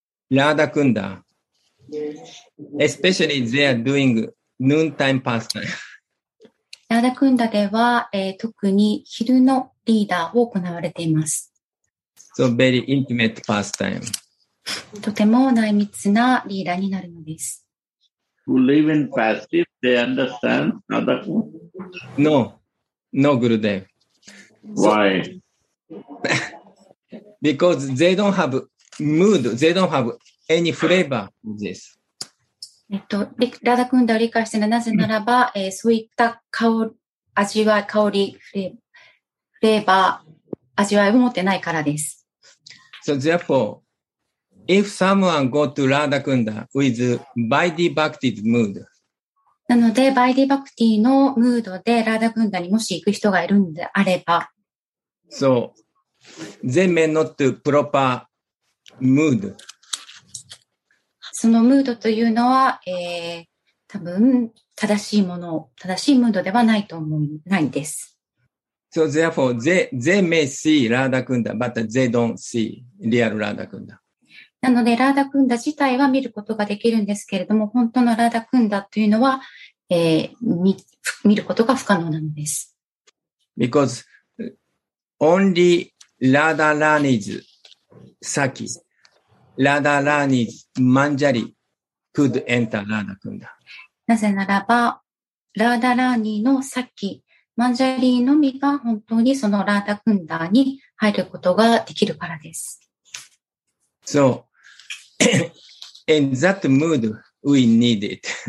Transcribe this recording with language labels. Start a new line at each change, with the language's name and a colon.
English: ラーダクンダ、especially they are doing noontime pastime。
Japanese: ラーダクンダでは、特に昼のリーダーを行われています。
English: So very intimate pastime。
Japanese: とても内密なリーダーになるのです。
English: Who live in passive, they understand Radha Kunda? No, Gurudev. Why? Because they don't have mood, they don't have any flavor of this.
Japanese: Radha Kunda 理解してるなぜならば、そういった味わい、香り、フレーバー、味わいを持ってないからです。
English: So therefore,If someone go to Radha Kunda with Vaidhi Bhakti's mood.
Japanese: なので、Vaidhi Bhakti のムードで Radha Kunda にもし行く人がいるんであれば。
English: So, they may not proper mood.
Japanese: そのムードというのは、多分、正しいもの、正しいムードではないと思う、ないです。
English: So, therefore, they may see Radha Kunda, but they don't see real Radha Kunda.
Japanese: なので、ラーダクンダ自体は見ることができるんですけれども、本当のラーダクンダというのは、見ることが不可能なのです。
English: Because only Radha Rani's Saki, Radha Rani's Manjari could enter Radha Kunda.
Japanese: なぜならば、ラーダラーニーのサキ、マンジャリーのみが本当にそのラーダクンダに入ることができるからです。
English: So,In that mood, we need it.